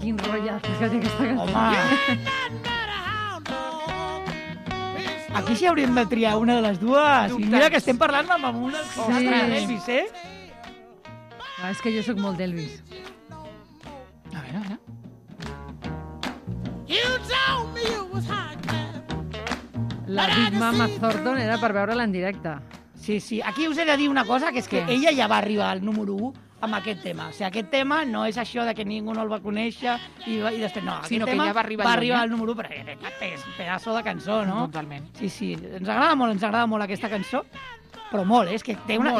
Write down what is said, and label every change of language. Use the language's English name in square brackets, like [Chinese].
[Catalan] Quin rotllazo que té aquesta cançó. Home! Aquí sí hauríem de triar una de les dues. Dubtes. Mira que estem parlant amb un dels d'Elvis, eh? Ah, és que jo sóc molt d'Elvis. A veure, a veure. [English] You told me you was high class. [Catalan] La Big Mama Thornton era per veure-la en directe. Sí, sí. Aquí us he de dir una cosa, que és que ella ja va arribar al número 1 amb aquest tema. O sigui, aquest tema no és això de que ningú no el va conèixer i després, no, sinó aquest tema ja va arribar al número 1, perquè és un pedaço de cançó, no? Totalment. Sí, sí. Ens agrada molt aquesta cançó, però molt, és que té una...